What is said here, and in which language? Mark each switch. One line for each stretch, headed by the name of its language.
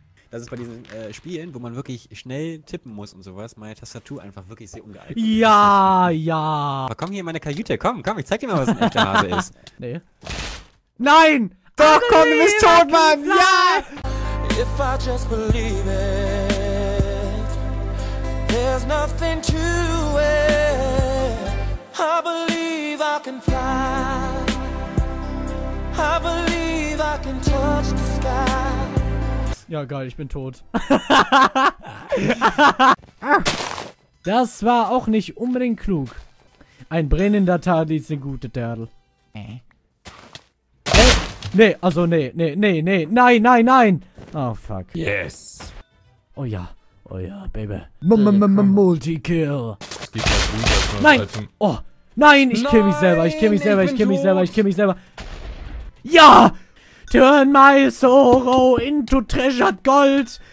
German: Das ist bei diesen Spielen, wo man wirklich schnell tippen muss und sowas, meine Tastatur einfach wirklich sehr ungeeignet. Ja, ja. Aber komm hier in meine Kajüte, komm, ich zeig dir mal, was ein echter Hase ist. Nee. Nein! Doch, komm, du bist tot, Mann! Ja!
English: If I just believe it, there's nothing to it. I believe.
German: Ja, geil, ich bin tot. Das war auch nicht unbedingt klug. Ein brennender Tadel ist ein guter Tadel. Nein.
English: Oh, fuck. Yes.
German: Oh ja, Baby. Multi-Kill. Nein. Oh. Nein, ich kill mich selber. Ja!
English: Turn my sorrow into treasured gold.